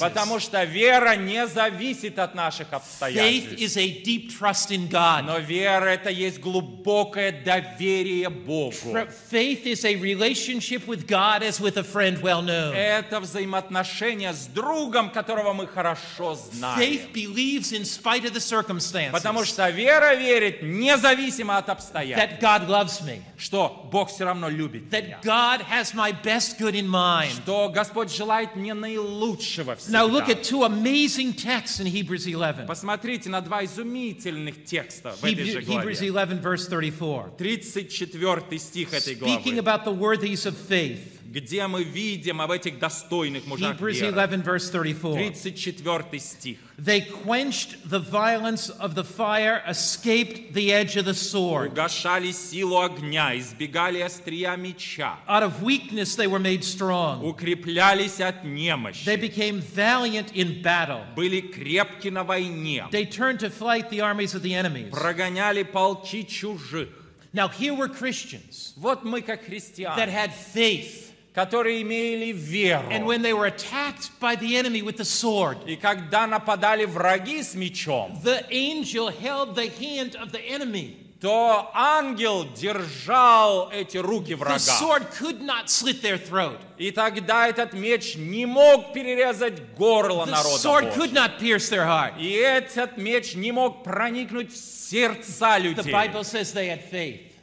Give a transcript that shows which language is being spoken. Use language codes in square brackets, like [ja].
[ru] Потому что вера не зависит от наших обстоятельств. [en] Faith is a deep trust in God. [ru] Но вера — это есть глубокое доверие Богу. [en] Faith is a relationship with God as with a friend well known. [ru] Это взаимоотношение с другом, которого мы хорошо знаем. [en] Faith believes in spite of the circumstances. [ru] Потому что вера верит независимо от обстоятельств. [en] That God loves me. [ru] Что Бог все равно любит меня. [en] That God has my best good in mind. [ru] Что Господь желает мне наилучшего всегда. [en] Now look at two amazing texts in Hebrews 11. [ru] Посмотрите на два изумительных текста в этой же главе. [en] Hebrews 11, verse 34. [ru] 34 стих этой главы. [en] Speaking about the worthies of faith. [ru] Где мы видим об этих достойных мужах веры. [en] Hebrews 11, verse 34. [ru] 34 стих. [en] They quenched the violence of the fire, escaped the edge of the sword. [ru] Угашали силу огня, избегали острия меча. [en] Out of weakness they were made strong. [ru] Укреплялись от немощи. [en] They became valiant in battle. [ru] Были крепки на войне. [en] They turned to flight the armies of the enemies. [ru] Прогоняли полки чужих. [en] Now here were Christians. [ru] Вот мы как христиане. [en] That had faith. [ru] Которые имели веру. [en] And when they were attacked by the enemy with the sword. [ru] И когда нападали враги с мечом. [en] The angel held the hand of the enemy. [ru] То ангел держал эти руки врага. [en] The sword could not slit their throat. [ru] И тогда этот меч не мог перерезать горло [en] the [ru] народа [en] sword [ru] Божьего. [en] Could not pierce their heart. [ru] И этот меч не мог проникнуть в сердца людей. [en] The Bible says they had faith.